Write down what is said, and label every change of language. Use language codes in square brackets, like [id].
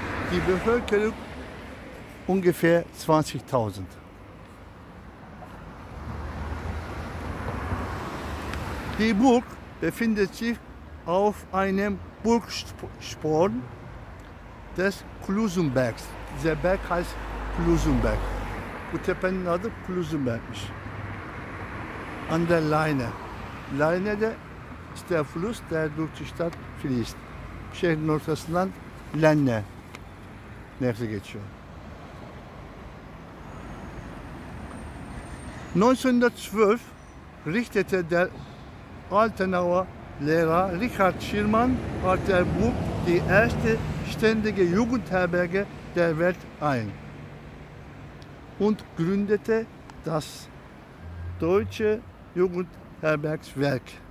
[de] Die Bevölkerung ungefähr 20.000. Die Burg befindet sich auf einem Burgsporn des Klusenbergs. Dieser Berg heißt Klusenberg. [tr] Bu tepenin adı Klusenberg'miş. [de] An der Leine. Leine'de ist der Fluss, der durch die Stadt fließt. [tr] Şehrin ortasından Lenne nehri geçiyor. [de] 1912 richtete der Altenauer Lehrer Richard Schirmann auf der Burg die erste ständige Jugendherberge der Welt ein und gründete das deutsche Jugendherbergswerk.